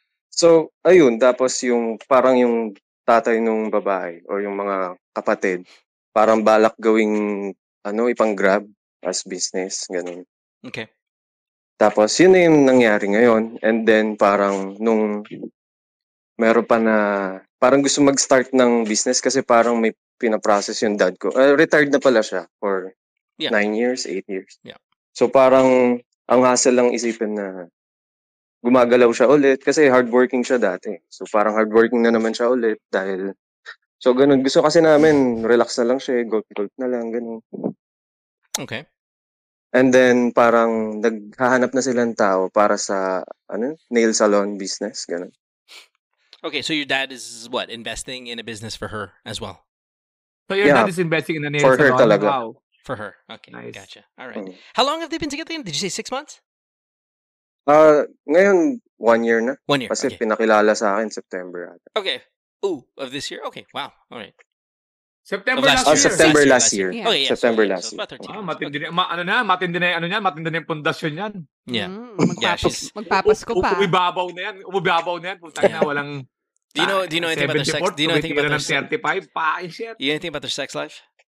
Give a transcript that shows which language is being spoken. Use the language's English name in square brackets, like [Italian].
[Filipino] So, ayun, tapos yung parang yung tatay nung babae or yung mga kapatid, parang balak gawing, ano, ipang grab as business, ganun. [English] Okay. [Filipino] Tapos, yun na yung nangyari ngayon. [English] And then, [Filipino] parang nung meron pa na, parang gusto mag-start ng business kasi parang may pinaprocess yung dad ko. [English] Retired na pala siya for 9 years, 8 years. Yeah. [Filipino] So parang ang hassle lang isipin na gumagalaw siya ulit kasi hardworking siya dati. So parang hardworking na naman siya ulit dahil, so ganun. Gusto kasi namin, relax na lang siya, golf na lang, ganun. [English] Okay. And then [Filipino] parang naghahanap na silang tao para sa ano, nail salon business, ganun. [English] Okay, so your dad is what? Investing in a business for her as well? So your dad is investing in the nail for her salon. [Filipino] Talaga. [English] Wow. For her. Okay, nice. Gotcha. All right. Mm. How long have they been together? Did you say 6 months? [Filipino] Ngayon, 1 year na. [English] 1 year, [Filipino] kasi [English] okay. [Filipino] Pinakilala sa akin September. [English] Okay. Ooh, of this year? Okay, wow. All right. September last year. September last year. September last year. [Filipino] Oh, matindi na, matindi na 'yan, matindi na 'yung pundasyon niyan. [English] Yeah. [Filipino] Magpapasko pa. Ubibabaw na 'yan. Ubibabaw na 'yan. Putang ina, walang [English] Do you know anything about their sex? Do you know anything about their [Filipino] 35 pa, [English] shit. You know anything about their sex life?